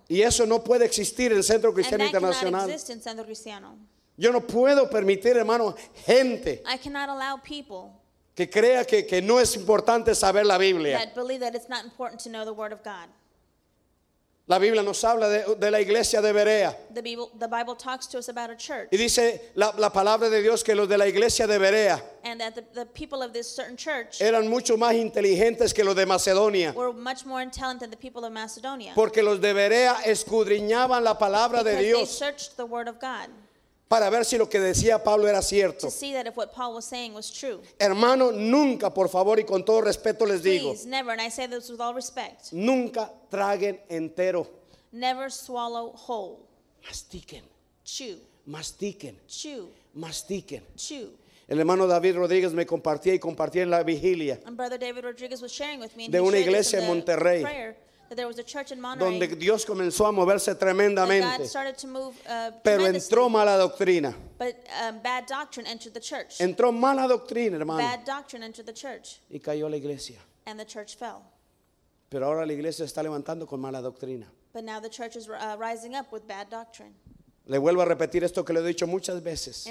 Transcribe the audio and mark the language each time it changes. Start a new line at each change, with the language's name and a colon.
Spanish: Y eso no puede existir en Centro Cristiano
English: and
Spanish: Internacional.
English: That cannot exist in Centro Cristiano.
Spanish: Yo no puedo permitir, hermano, gente.
English: I cannot allow people
Spanish: que crea que no es importante saber la Biblia.
English: That believe that it's not important to know the word of God.
Spanish: La Biblia nos habla de la iglesia de Berea.
English: The Bible talks to us about a church.
Spanish: Y dice la palabra de Dios que los de la iglesia de Berea.
English: And that the people of this certain church.
Spanish: Eran mucho más inteligentes que los de Macedonia.
English: Were much more intelligent than the people of Macedonia.
Spanish: Porque los de Berea escudriñaban la palabra
English: because
Spanish: de Dios.
English: They searched the word of God.
Spanish: Para ver si lo que decía Pablo era cierto.
English: To see that if what Paul was saying was true.
Spanish: Hermano, nunca, por favor, y con todo respeto les digo.
English: Please, never, and I say this with all respect.
Spanish: Nunca traguen entero.
English: Never swallow whole.
Spanish: Mastiquen.
English: Chew.
Spanish: Mastiquen.
English: Chew.
Spanish: Mastiquen.
English: Chew.
Spanish: El hermano David Rodríguez me compartía y compartía en la vigilia.
English: And Brother David Rodríguez was sharing with me.
Spanish: De una iglesia en Monterrey.
English: That there was a church in Monterey,
Spanish: donde Dios comenzó a moverse tremendamente,
English: God started to move,
Spanish: pero entró mala doctrina.
English: But bad doctrine entered the church.
Spanish: Entró mala doctrina, hermano.
English: Bad doctrine entered the church.
Spanish: Y cayó la iglesia.
English: And the church fell.
Spanish: Pero ahora la iglesia está levantando con mala doctrina.
English: But now the church is rising up with bad doctrine.
Spanish: Le vuelvo a repetir esto que le he dicho muchas veces.